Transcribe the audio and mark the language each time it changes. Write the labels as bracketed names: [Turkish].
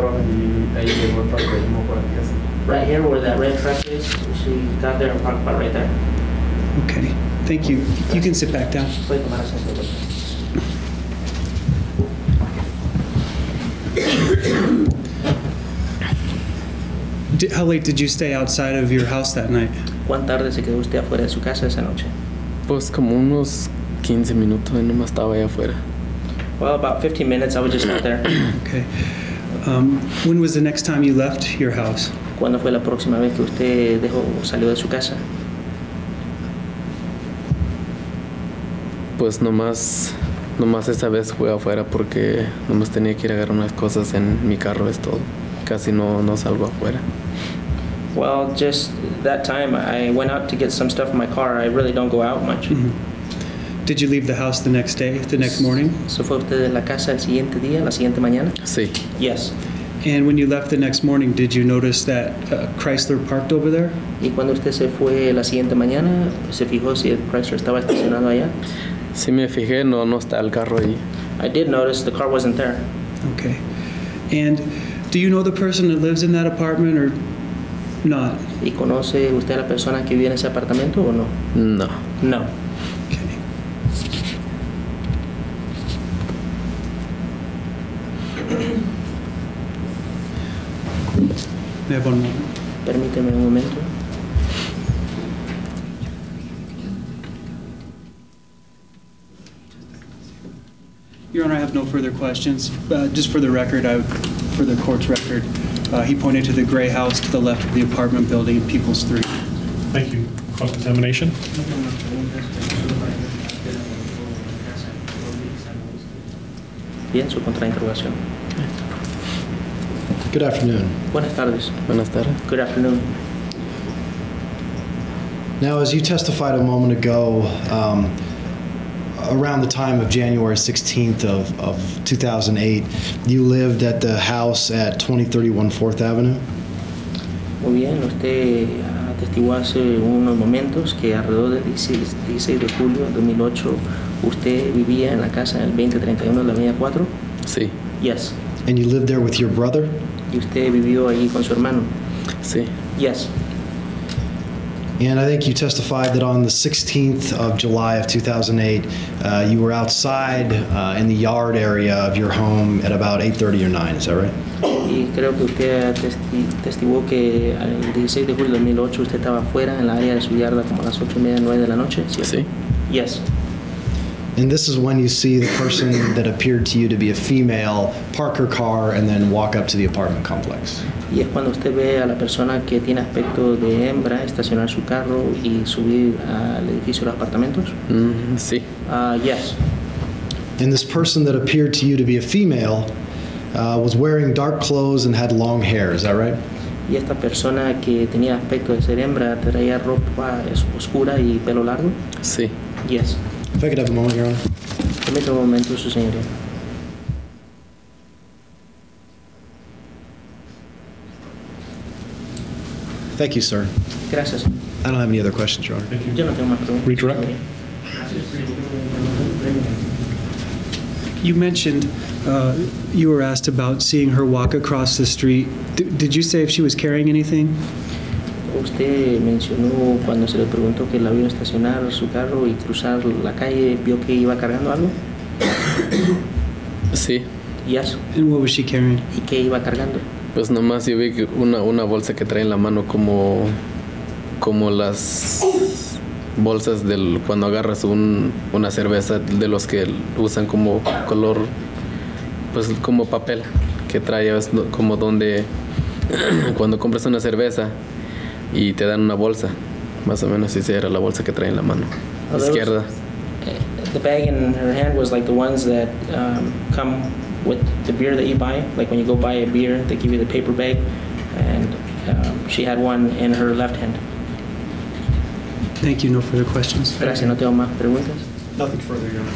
[English] Right here where that red truck is, she got there and parked right there. Okay, thank you. You can sit back down. How late did you stay outside of your house that night? [Spanish] ¿Cuán tarde se quedó usted afuera de su casa esa noche? Pues como unos 15 minutos, no más estaba allá afuera. [English] Well, about 15 minutes, I was just out there. Okay. When was the next time you left your house? [Spanish] ¿Cuándo fue la próxima vez que usted dejó, salió de su casa? Pues nomás esa vez fue afuera porque nomás tenía que ir a agarrar unas cosas en mi carro, es todo. Casi no salgo afuera. [English] Well, just that time, I went out to get some stuff in my car. I really don't go out much. Mm-hmm. Did you leave the house the next day, the next morning? [Spanish] ¿Se fue usted de la casa el siguiente día, la siguiente mañana? Sí. [English] Yes. And when you left the next morning, did you notice that Chrysler parked over there? [Spanish] ¿Y cuando usted se fue la siguiente mañana, se fijó si el Chrysler estaba estacionado allá? Sí, me fijé, no está el carro ahí. [English] I did notice the car wasn't there. Okay. And do you know the person that lives in that apartment or not? [Spanish] ¿Y conoce usted a la persona que vive en ese apartamento o no? No. [English] No. Okay. Have one moment. [Spanish] Permíteme un momento. [English] Your Honor, I have no further questions. Just for the record, for the court's record, he pointed to the gray house to the left of the apartment building in People's 3. Thank you. Cross-examination. Good afternoon. [Spanish] Buenas tardes. Buenas tardes. [English] Good afternoon. Now, as you testified a moment ago, around the time of January 16th of 2008, you lived at the house at 2031 4th Avenue? [Spanish] Muy bien, usted atestiguó hace unos momentos que alrededor del 16 de julio 2008, usted vivía en la casa en el 2031 de la Avenida 4? Sí. [English] Yes. And you lived there with your brother? [Spanish] Y usted vivió allí con su hermano? Sí. [English] Yes. And I think you testified that on the 16th of July of 2008, you were outside in the yard area of your home at about 8:30 or 9, is that right? [Spanish] Y creo que usted testificó que el 16 de julio de 2008 usted estaba fuera en la área de su yarda como a las 8:30-9 de la noche, ¿cierto? Sí. [English] Yes. And this is when you see the person that appeared to you to be a female park her car and then walk up to the apartment complex. [Spanish] Y es cuando usted ve a la persona que tiene aspecto de hembra estacionar su carro y subir al edificio de los apartamentos. Sí. [English] Yes. And this person that appeared to you to be a female was wearing dark clothes and had long hair. Is that right? [Spanish] Y esta persona que tenía aspecto de ser hembra traía ropa oscura y pelo largo. Sí. [English] Yes. If I could have a moment, Your Honor. [Spanish] Permítame un momento, su señoría. [English] Thank you, sir. [Spanish] Gracias. [English] I don't have any other questions, Your Honor. Thank you. [Spanish] Yo no tengo más preguntas. [English] Redirect. You mentioned you were asked about seeing her walk across the street. Did you say if she was carrying anything? [Spanish] Usted mencionó cuando se le preguntó que la vio estacionar su carro y cruzar la calle, vio que iba cargando algo? Sí. [English] Yes. And what was she carrying? [Spanish] ¿Y qué iba cargando? Pues nomás yo vi una bolsa que trae en la mano como las bolsas del cuando agarras una cerveza de los que usan como color pues como papel que traías, como donde cuando compras una cerveza y te dan una bolsa, más o menos esa era la bolsa que trae en la mano izquierda. [English] The bag in her hand was like the ones that come with the beer that you buy, like when you go buy a beer, they give you the paper bag, and she had one in her left hand. Thank you. No further questions. [Spanish] Gracias. No tengo más preguntas. [English] Nothing further, Your Honor.